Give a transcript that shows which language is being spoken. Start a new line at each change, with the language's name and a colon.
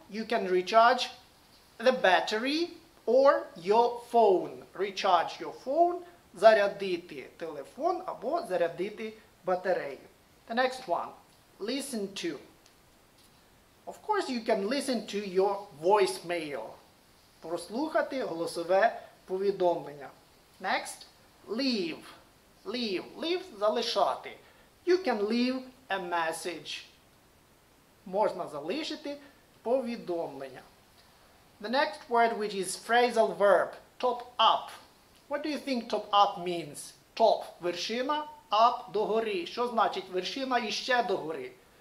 English: You can recharge the battery or your phone. Recharge your phone,
Ukrainian: зарядити телефон або зарядити батарею.
English: The next one, listen to. Of course, you can listen to your voicemail.
Ukrainian: Прослухати голосове повідомлення.
English: Next, leave. Leave. Leave,
Ukrainian: залишати.
English: You can leave a message.
Ukrainian: Можна залишити повідомлення.
English: The next word, which is phrasal verb, top up. What do you think top up means? Top –
Ukrainian: вершина,
English: up –
Ukrainian: догори. Що значить вершина і ще догори?